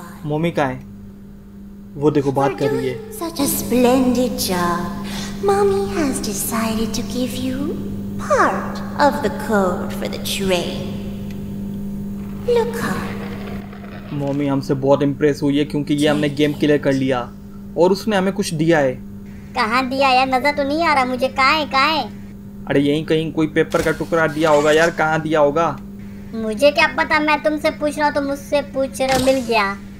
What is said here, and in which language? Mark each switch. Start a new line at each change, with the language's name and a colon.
Hindi: Mummy कहाँ है, वो देखो बात कर रही है।
English: Such a splendid job. Mommy has decided to give you part of the code for the train. Look up.
Hindi: Mummy हमसे बहुत इंप्रेस हुई है क्योंकि ये हमने गेम क्लियर कर लिया और उसने हमें कुछ दिया है। कहाँ दिया यार, नजर तो नहीं आ रहा मुझे, कहाँ है कहाँ है। अरे यहीं कहीं कोई पेपर का टुकड़ा दिया होगा यार, कहाँ दिया होगा। मुझे क्या पता, मैं तुमसे पूछ रहा हूँ तो मुझसे पूछ रहे हो, मिल गया।